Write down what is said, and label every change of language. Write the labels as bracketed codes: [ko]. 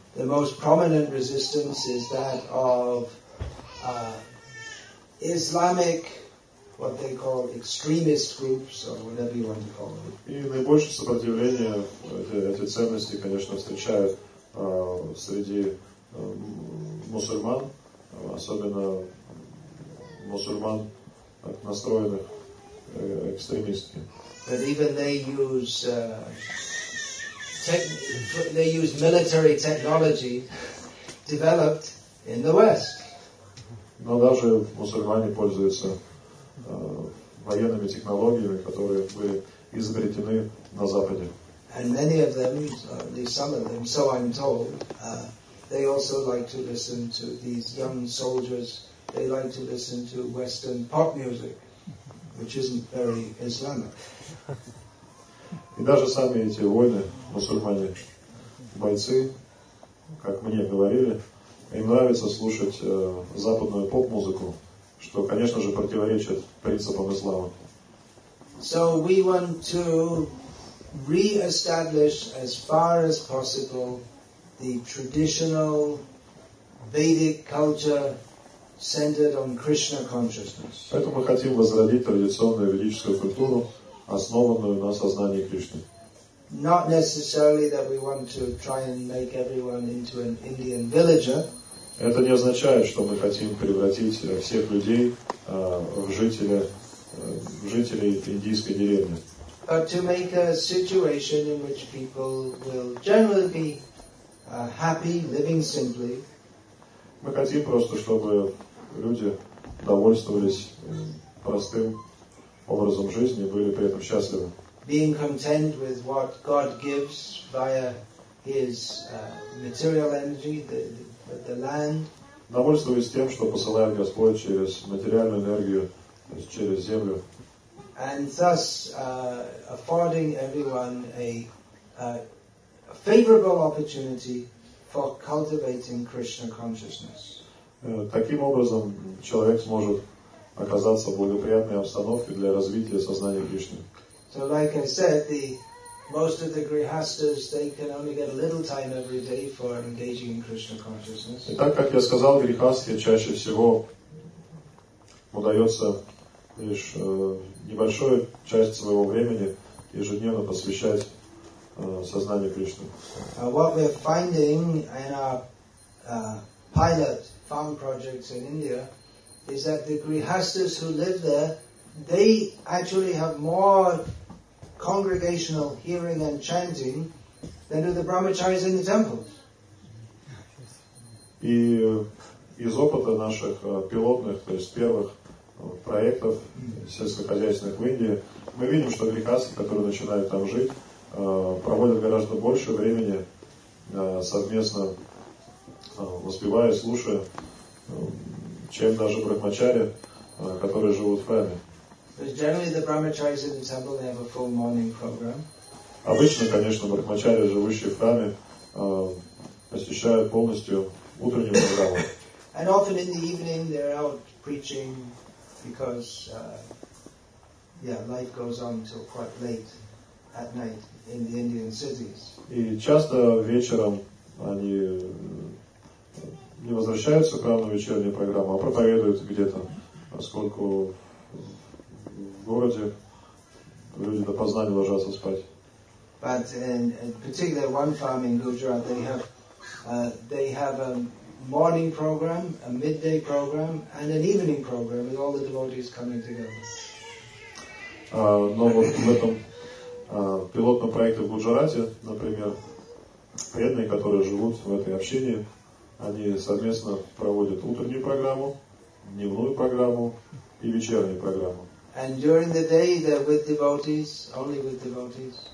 [en] The most prominent resistance is that of Islamic, what they call extremist groups, or whatever you want to call them. [ru] И наибольшее сопротивление эти ценности, конечно, встречают среди мусульман, особенно мусульман, настроенных экстремистски. [en] But even they use military technology developed in the West. [ru] Но даже мусульмане пользуются военными технологиями, которые были изобретены на Западе. [en] And many of them, at least some of them, so I'm told, they also like to listen to these young soldiers. They like to listen to Western pop music, which isn't very Islamic. [ru] И даже сами эти воины, мусульмане, бойцы, как мне говорили, им нравится слушать западную поп-музыку, что, конечно же, противоречит принципам ислама. [en] So we want to re-establish as far as possible the traditional Vedic culture centered on Krishna consciousness. [ru] Поэтому мы хотим возродить традиционную ведическую культуру, основанную на сознании Кришны. [en] Not necessarily that we want to try and make everyone into an Indian villager. [ru] Это не означает, что мы хотим превратить всех людей в жителей индийской деревни. [en] But to make a situation in which people will generally be happy, living simply. [ru] Мы хотим просто, чтобы люди довольствовались простым образом жизни, были при этом счастливы. [en] Being content with what God gives via His material energy, the land. [ru] Довольствуясь тем, что посылает Господь через материальную энергию, то есть через землю. [en] And thus affording everyone a favorable opportunity for cultivating Krishna consciousness. [ru] Таким образом, человек сможет оказаться в благоприятной обстановке для развития сознания Кришны. [en] So, like I said, most of the grihasthas, they can only get a little time every day for engaging in Krishna consciousness. [ru] И так, как я сказал, грихасты чаще всего удается лишь небольшую часть своего времени ежедневно посвящать сознанию Кришны. [en] What we're finding in our pilot farm projects in India is that the grihasthas who live there, they actually have more congregational hearing and chanting than do the brahmacharis in the temples. [ru] И из опыта наших пилотных, то есть первых проектов сельскохозяйственных в Индии, мы видим, что грихасты, которые начинают там жить, проводят гораздо больше времени совместно воспевая, слушая, чем даже брахмачари, которые живут в храме. [en] Generally, the brahmacharis in the temple, they have a full morning program. [ru] Обычно, конечно, брахмачари, живущие в храме, посещают полностью утреннюю программу. [en] And often in the evening, they're out preaching because, life goes on until quite late at night in the Indian cities. [ru] И часто вечером они не возвращаются к равной вечерней программе, а проповедуют где-то, поскольку в городе люди допоздна не ложатся спать. [en] But in particular one farm in Gujarat, they have a morning program, a midday program, and an evening program with all the devotees coming together. [ru] Но вот в этом пилотном проекте в Гуджарате, например, преданные, которые живут в этой общине, они совместно проводят утреннюю программу, дневную программу и вечернюю программу. [en] And during the day they're with devotees, only with devotees.